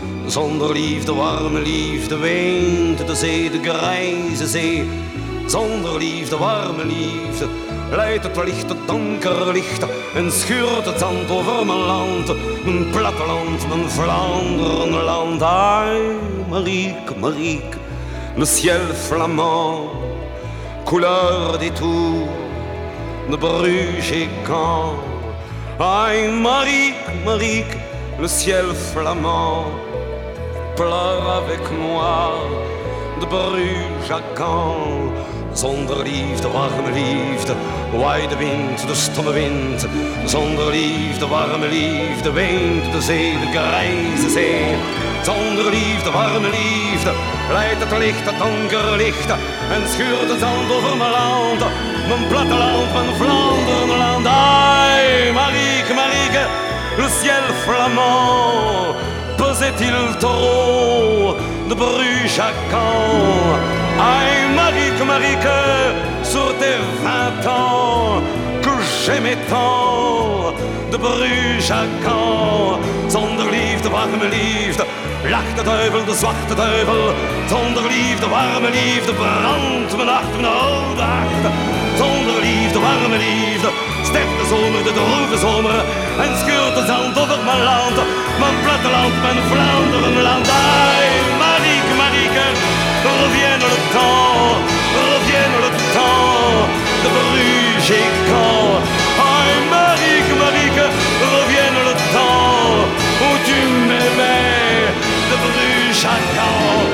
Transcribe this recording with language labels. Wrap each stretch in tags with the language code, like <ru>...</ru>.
<nl>Zonder liefde, warme liefde, weent de zee, de grijze zee. Zonder liefde, warme liefde, leidt het licht, het donker licht. En schuurt het zand over mijn land, mijn platteland, mijn Vlaanderen land.</nl> <fr>Ai, Marique, Marique, le ciel flamand, couleur des tours, de Bruges et Caen. Ai, Marique, Marique, le ciel flamand. Pleure avec moi de Bruges à Caen.</fr> <nl>Zonder liefde, warme liefde, waait de wind, de stomme wind. Zonder liefde, warme liefde, weent de zee, de grijze zee. Zonder liefde, warme liefde, leidt het licht, het donker licht. En schuurt het zand over mijn land, mijn platteland, mijn Vlaanderenland.</nl> <fr>Ai, Marique, Marique, le ciel flamand. Pesait-il trop de Bruges à Caen? Aïe, Marique, Marique, sur tes 20 ans que j'aimais tant de Bruges à Caen.</fr> <nl>Zonder liefde, warme liefde, lacht de duivel, de zwarte duivel. Zonder liefde, warme liefde, brandt mijn hart, mijn oude hart. Zonder liefde, warme liefde, sterft de zomer, de droeve zomer. En scheurt de zand over mijn land, mijn platteland, mijn Vlaanderenland.</nl> <fr>Ai, Marique, Marique, revienne le temps, revienne le temps de Bruges et Caen. Ai, Marique, Marique, revienne le temps où tu m'aimais de Bruges à Caen.</fr>